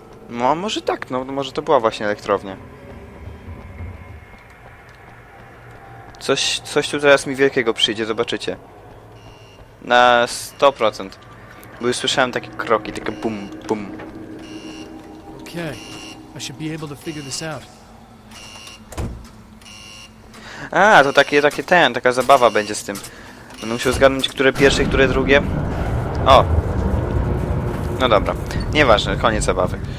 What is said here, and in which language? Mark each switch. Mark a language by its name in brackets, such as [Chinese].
[Polish] No, może tak, no, może to była właśnie elektrownia. Coś tu teraz mi wielkiego przyjdzie, zobaczycie. Na 100%. Bo już słyszałem takie kroki, takie bum, bum. [English] Okej, I should be able to figure this out. [Polish] A, to taka zabawa będzie z tym. Będę musiał zgadnąć, które pierwsze, które drugie. O! No dobra, nieważne, koniec zabawy.